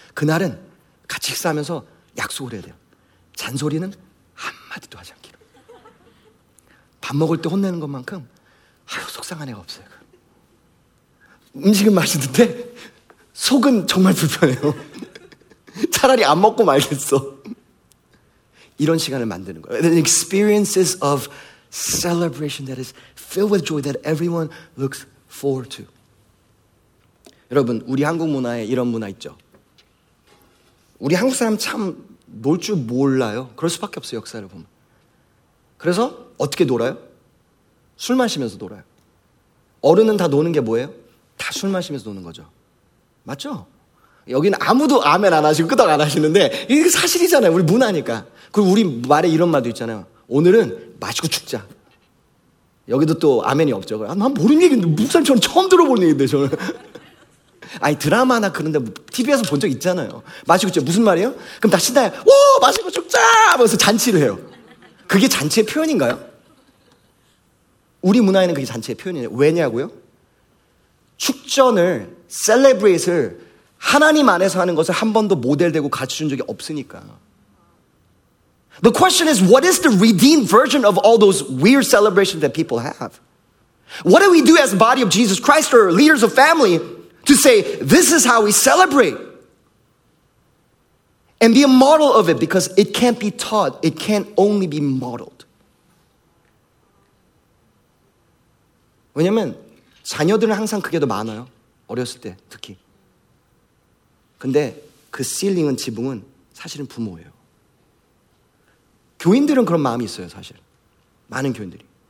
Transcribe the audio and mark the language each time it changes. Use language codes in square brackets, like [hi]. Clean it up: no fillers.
[ko] 그날은 같이 식사하면서 약속을 해야 돼요. 잔소리는 한마디도 하지 않기로. 밥 먹을 때 혼내는 것만큼 아유 속상한 애가 없어요. 음식은 맛있는데 속은 정말 불편해요. 차라리 안 먹고 말겠어. 이런 시간을 만드는 거예요. [en] And experiences of celebration that is filled with joy that everyone looks forward to. [ko] 여러분, 우리 한국 문화에 이런 문화 있죠? 우리 한국 사람 참 놀 줄 몰라요. 그럴 수밖에 없어요, 역사를 보면. 그래서 어떻게 놀아요? 술 마시면서 놀아요. 어른은 다 노는 게 뭐예요? 다 술 마시면서 노는 거죠. 맞죠? 여기는 아무도 아멘 안 하시고 끄덕 안 하시는데 이게 사실이잖아요, 우리 문화니까. 그리고 우리 말에 이런 말도 있잖아요. 오늘은 마시고 죽자. 여기도 또 아멘이 없죠. 난 모르는 얘기인데, 목사님처럼 처음 들어보는 얘기인데, 저는. 아니 드라마나 그런데 TV에서 본 적 있잖아요. 마시고 죽자 무슨 말이에요? 그럼 다 신나요. 오 마시고 죽자 하면서 잔치를 해요. 그게 잔치의 표현인가요? 우리 문화에는 그게 잔치의 표현이에요. 왜냐고요? 축전을 셀레브레이트를 하나님 안에서 하는 것을 한 번도 모델되고 가르쳐준 적이 없으니까. [en] The question is, what is the redeemed version of all those weird celebrations that people have? What do we do as body of Jesus Christ or leaders of family to say, this is how we celebrate? And be a model of it because it can't be taught. It can only be modeled. [ko] 왜냐면 자녀들은 항상 그게 더 많아요. 어렸을 때 특히. 근데 그 ceiling은 지붕은 사실은 부모예요. 교인들은 그런 마음이 있어요, 사실. 많은 교인들이.